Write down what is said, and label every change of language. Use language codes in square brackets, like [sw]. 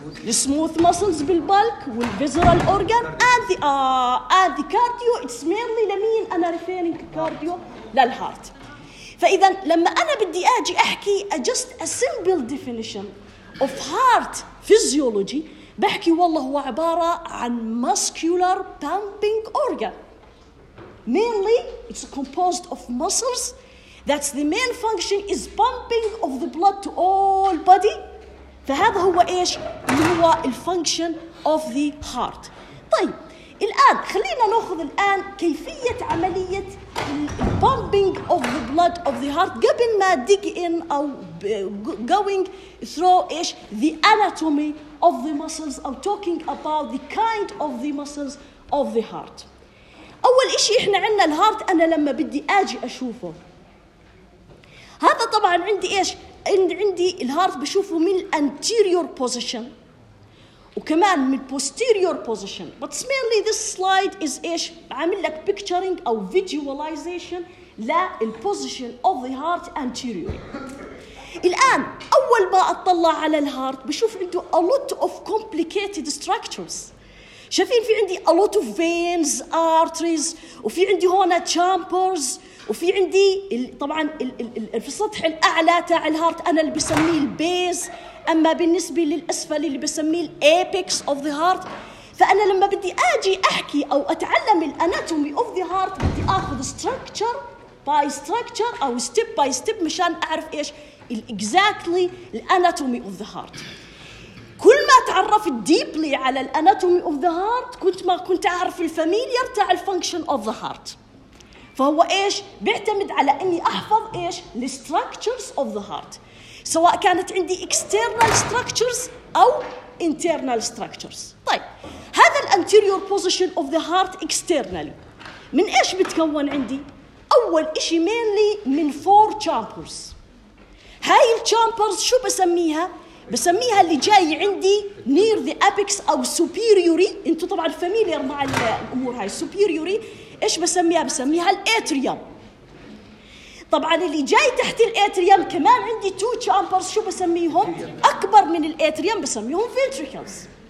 [en] smooth muscles بالبلك والvisceral organ and the cardio it's mainly [ar] لمين أنا [en] referring cardio للheart [ar] فإذا لما أنا بدي أجي أحكي [en] just a simple definition of heart physiology [ar] بحكي والله هو عبارة عن [en] muscular pumping organ. Mainly, it's composed of muscles. That's the main function is pumping of the blood to all body. [ar] فهذا هو إيش؟ اللي هو ال [en] function of the heart. [ar] طيب، الآن خلينا نأخذ الآن كيفية عملية [en] pumping of the blood of the heart [ar] قبل ما [en] dig in أو going through إيش the anatomy of the muscles or talking about the kind of the muscles of the heart. [ar] أول إشي إحنا عنا الهارت أنا لما بدي أجي أشوفه. هذا طبعاً عندي إيش؟ عندي الهارت بشوفه من anterior position وكمان من posterior position. [en] But mainly this slide is إيش؟ [ar] عامل لك [en] picturing أو visualization لـ position of the heart anterior. [ar] الآن أول ما أطلع على الهارت بشوف عنده [en] a lot of complicated structures [ar] شايفين في عندي [en] a lot of veins, arteries [ar] وفي عندي هنا chambers وفي عندي طبعاً في السطح الأعلى تاع الهارت أنا اللي بسميه base أما بالنسبة للأسفل اللي بسميه [en] apex of the heart [ar] فأنا لما بدي أجي أحكي أو أتعلم الأناتومي of the heart بدي أخذ [en] structure by structure [ar] أو [en] step by step [ar] مشان أعرف إيش [en] exactly the anatomy of the heart. [ar] كل ما تعرفت deeply على [en] the anatomy of the heart [ar] كنت ما كنت أعرف الفاميليار تاع [en] the function of the heart. [ar] فهو إيش؟ بيعتمد على أني أحفظ إيش؟ [en] the structures of the heart. [ar] سواء كانت عندي [en] external structures [ar] أو [en] internal structures. [ar] طيب هذا [en] the anterior position of the heart externally. [ar] من إيش بتكون عندي؟ أول إشي mainly من [en] four chambers. [ar] هاي الشامبرز شو بسميها؟ بسميها اللي جاي عندي [en] near the apex [ar] أو superiori انتو طبعاً familiar مع الأمور هاي superiori ايش بسميها؟ بسميها الاتريوم طبعاً اللي جاي تحت الاتريوم كمان عندي two chambers شو بسميهم؟ أكبر من الاتريوم بسميهم ventricles